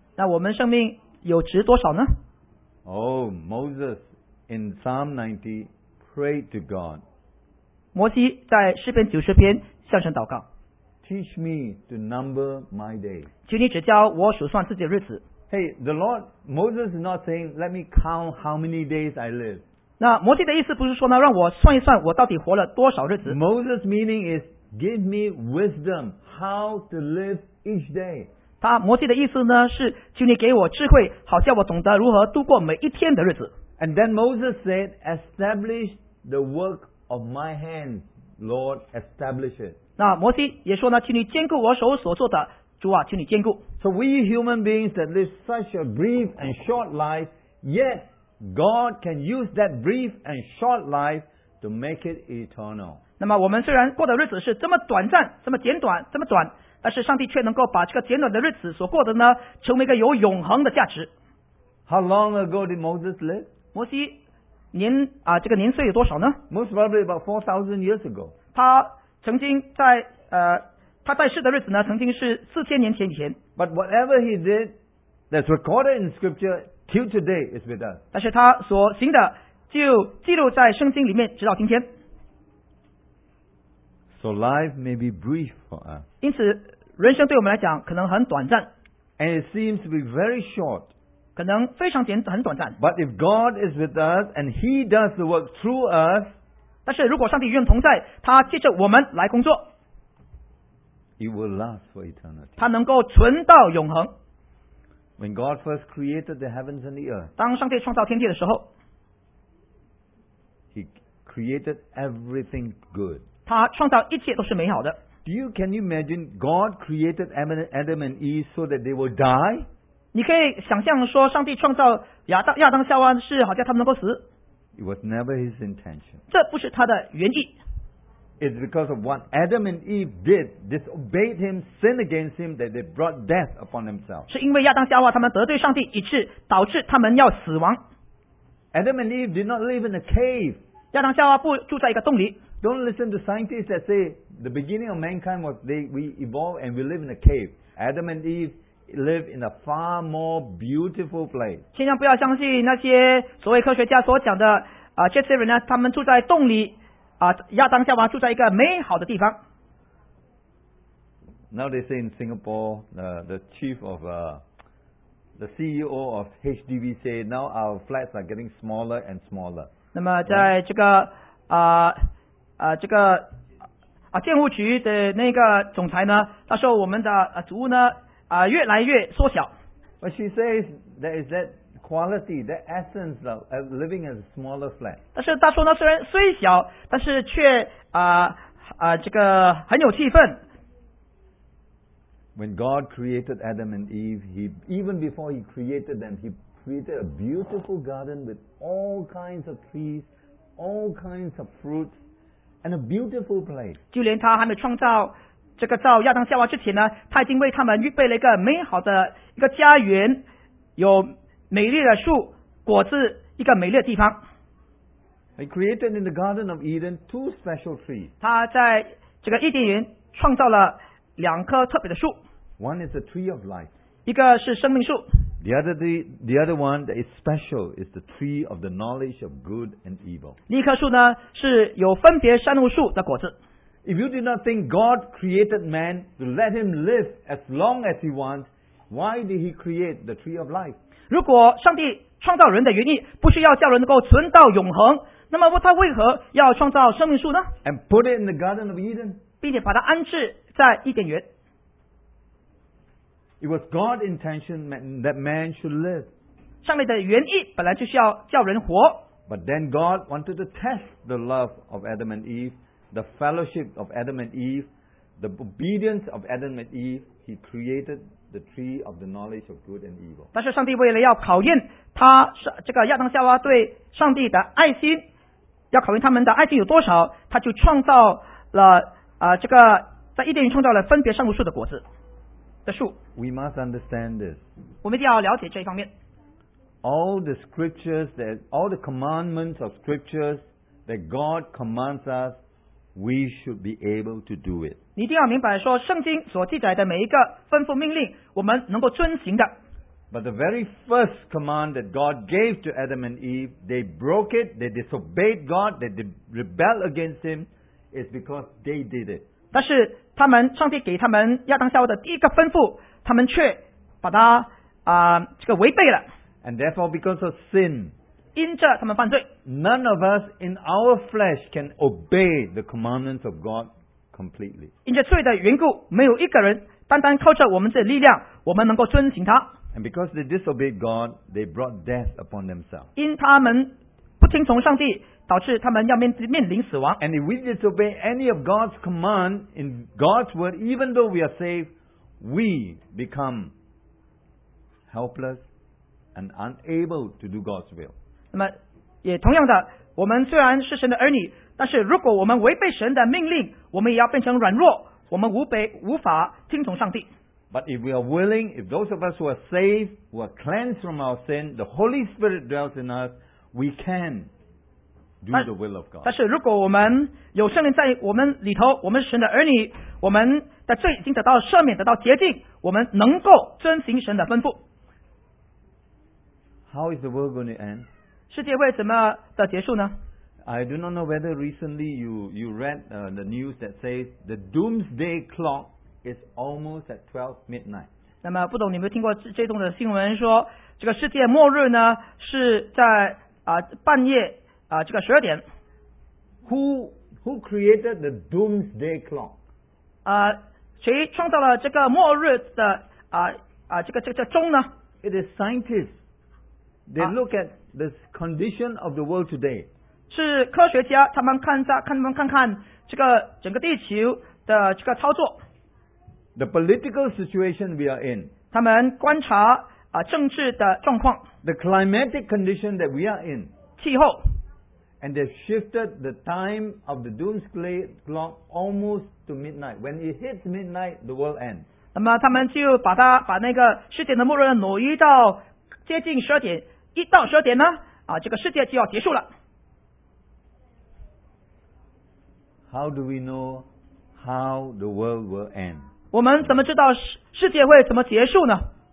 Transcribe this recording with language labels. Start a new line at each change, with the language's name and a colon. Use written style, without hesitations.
Chinese: 那我们生命有值多少呢?
English: Oh, Moses in Psalm 90 prayed to God.
Chinese: 摩西在诗篇90篇向神祷告。
English: Teach me to number my days.
Chinese: 请你指教我数算自己的日子。
English: Hey, the Lord, Moses is not saying, let me count how many days I live.
Chinese: 那摩西的意思不是说呢, 让我算一算我到底活了多少日子。
English: Moses' meaning is, give me wisdom how to live each day.
Chinese: 他, 摩西的意思呢, 是, 请你给我智慧, 好叫我懂得如何度过每一天的日子。
English: And then Moses said, establish the work of my hand, Lord, establish it.
Chinese: 那摩西也说呢, 请你坚固我手所做的, 主啊, 请你坚固。
English: So we human beings that live such a brief and short life, yet God can use that brief and short life to make it eternal.
Chinese: 那么我们虽然过的日子是这么短暂,这么简短,这么短, 但是上帝却能够把这个简短的日子所过的呢, 成为一个有永恒的价值。
English: How long ago did Moses live?
Chinese: 摩西, 年, 啊, 这个年岁有多少呢?
English: Most probably about 4,000 years ago.
Chinese: 他曾经在, 他在世的日子呢, 曾经是4,000年前以前。
English: But whatever he did, that's recorded in scripture, till today is with us.
Chinese: 但是他所行的, 就记录在圣经里面，直到今天。
English: So life may be brief for us.
Chinese: 因此，人生对我们来讲可能很短暂。
English: And it seems to be very short.
Chinese: 可能非常简，很短暂。
English: But if God is with us and He does the work through us,
Chinese: 但是如果上帝与我们同在，他借着我们来工作。
English: It will last for eternity.
Chinese: 它能够存到永恒。
English: When God first created the heavens and the earth,
Chinese: 当上帝创造天地的时候，
English: He created everything good.
Chinese: 他创造一切都是美好的。
English: Can you imagine God created Adam and Eve so that they will die?
Chinese: 你可以想象说上帝创造亚当夏娃是好叫他们能够死。
English: It was never His intention.
Chinese: 这不是他的原意。
English: It's because of what Adam and Eve did, disobeyed Him, sinned against Him, that they brought death upon themselves.
Chinese: 是因为亚当夏娃他们得罪上帝，以致导致他们要死亡。
English: Adam and Eve did not live in a cave.
Chinese: 亚当夏娃不住在一个洞里。
English: Don't listen to scientists that say the beginning of mankind was we evolved and we live in a cave. Adam and Eve live in a far more beautiful place.
Chinese: 千万不要相信那些所谓科学家所讲的啊，这些人呢，他们住在洞里。亚当夏娃住在一个美好的地方。
English: Now they say in Singapore, the chief of the CEO of HDB say now our flats are getting smaller and smaller.
Chinese: 那么在这个建物局的那个总裁呢，他说我们的租屋呢越来越缩小。
English: But she says there is that quality, that essence of living in a smaller flat.
Chinese: 但是他说呢，虽然虽小，但是却这个很有气氛。
English: When God created Adam and Eve, He even before He created them, He created a beautiful garden with all kinds of trees, all kinds of fruits. And a beautiful place.
Chinese: 就连他还没创造这个造亚当夏娃之前呢，他已经为他们预备了一个美好的一个家园，有美丽的树果子，一个美丽的地方。
English: He created in the Garden of Eden two special trees.
Chinese: 他在这个伊甸园创造了两棵特别的树。
English: One is the tree of life.
Chinese: 一个是生命树。
English: The other one that is special is the tree of the knowledge of good and evil.
Chinese: 一棵树呢是有分别善恶树的果子。
English: If you do not think God created man to let him live as long as he wants, why did he create the tree of life?
Chinese: 如果上帝创造人的原意不是要叫人能够存到永恒，那么他为何要创造生命树呢？
English: And put it in the Garden of Eden.
Chinese: 并且把它安置在伊甸园。
English: It was God's intention that man should live.
Chinese: 上帝的原意本来就是要叫人活。
English: But then God wanted to test the love of Adam and Eve, the fellowship of Adam and Eve, the obedience of Adam and Eve. He created the tree of the knowledge of good and evil.
Chinese: 但是上帝为了要考验他这个亚当夏娃对上帝的爱心，要考验他们的爱心有多少，他就创造了这个在伊甸园创造了分别善恶树的果子。
English: We must understand this.
Chinese: 我们一定要了解这一方面。
English: All the commandments of scriptures that God commands us, we should be able to do it.
Chinese: 你一定要明白说，圣经所记载的每一个吩咐命令，我们能够遵行的。
English: But the very first command that God gave to Adam and Eve, they broke it, they disobeyed God, they rebelled against Him, is because they did it.
Chinese: 但是他们上帝给他们亚当夏娃的第一个吩咐，他们却把它这个违背了。
English: And therefore, because of sin,
Chinese: 因着他们犯罪，
English: none of us in our flesh can obey the commandments of God completely.
Chinese: 因着罪的缘故，没有一个人单单靠着我们自己的力量，我们能够遵行他。
English: And because they disobeyed God, they brought death upon themselves.
Chinese: 因他们不听从上帝。导致他们要面临死亡。
English: And if we disobey any of God's command in God's word, even though we are saved, we become helpless and unable to do God's will.
Chinese: 那么也同样的，我们虽然是神的儿女，但是如果我们违背神的命令，我们也要变成软弱，我们无法听从上帝。
English: But if we are willing, if those of us who are saved, who are cleansed from our sin, the Holy Spirit dwells in us, we can. Do the will of God.
Chinese: 但是如果我们有圣灵在我们里头，我们是神的儿女，我们的罪已经得到赦免，得到洁净，我们能够遵行神的吩咐。
English: How is the world going to end?
Chinese: 世界会怎么的结束呢？
English: I do not know whether recently you read the news that says the doomsday clock is almost at 12 midnight.
Chinese: 那么不懂你们听过这种的新闻说这个世界末日呢是在半夜这个12点。
English: Who created the doomsday clock?
Chinese: 谁创造了这个末日的这个钟呢？
English: It is scientists. They look at the condition of the world today.
Chinese: 是科学家他们看这个整个地球的这个操作
English: The political situation we are in
Chinese: 他们观察政治的状况
English: The climatic condition that we are in
Chinese: 气候
English: And they shifted the time of the doomsday clock almost to midnight When it hits midnight, the world ends
Chinese: 那么他们就把那个世界的末日挪移到接近12点一到12点呢这个世界就要结束了
English: How do we know how the world will end?
Chinese: 我们怎么知道世界会怎么结束呢？